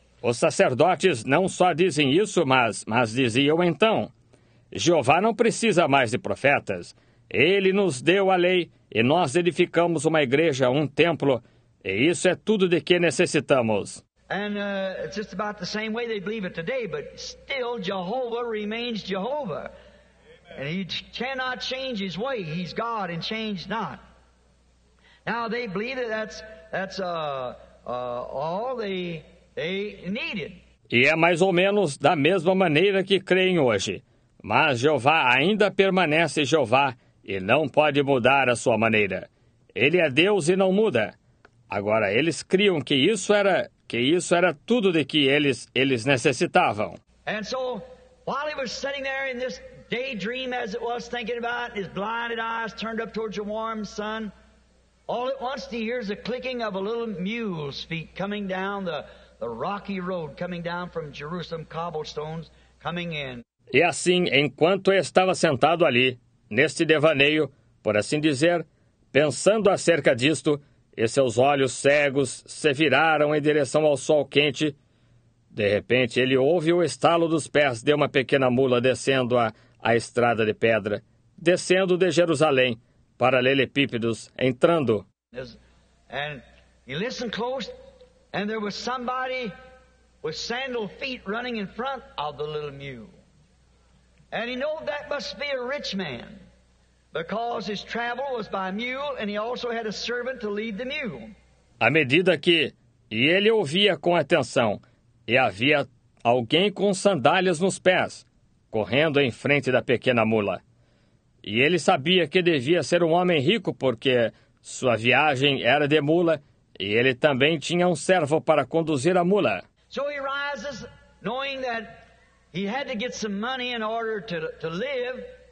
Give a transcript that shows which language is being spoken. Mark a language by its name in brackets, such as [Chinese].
[Portuguese] Os sacerdotes não só dizem isso, mas diziam então, Jeová não precisa mais de profetas. Ele nos deu a lei e nós edificamos uma igreja, um templo, e isso é tudo de que necessitamos. [English] And it's just about the same way they believe it today, but still Jehovah remains Jehovah. And he cannot change his way. He's God and changed not. Now they believe that that's all they needed. [Portuguese] E é mais ou menos da mesma maneira que creem hoje. Mas Jeová ainda permanece Jeová e não pode mudar a sua maneira. Ele é Deus e não muda. Agora eles criam que isso era tudo de que eles necessitavam. [English] And so while he was sitting there in this daydream as it was thinking about, his blinded eyes turned up towards a warm sun. All at once he hears a clicking of a little mule's feet coming down the rocky road, coming down from Jerusalem, cobblestones coming in. [Portuguese] E assim, enquanto eu estava sentado ali, neste devaneio, por assim dizer, pensando acerca disto, e seus olhos cegos se viraram em direção ao sol quente, de repente ele ouve o estalo dos pés de uma pequena mula descendo a estrada de pedra, descendo de Jerusalém, paralelepípedos, entrando. [English] And he listened close, and there was somebody with sandal feet running in front of the little mule. And he knew that must be a rich man, because his travel was by mule, and he also had a servant to lead the mule. [Portuguese] À medida que ele ouvia com atenção, e havia alguém com sandálias nos pés, correndo em frente da pequena mula. E ele sabia que devia ser um homem rico, porque sua viagem era de mula, e ele também tinha um servo para conduzir a mula. [English] So he rises, knowing that he had to get some money in order to live.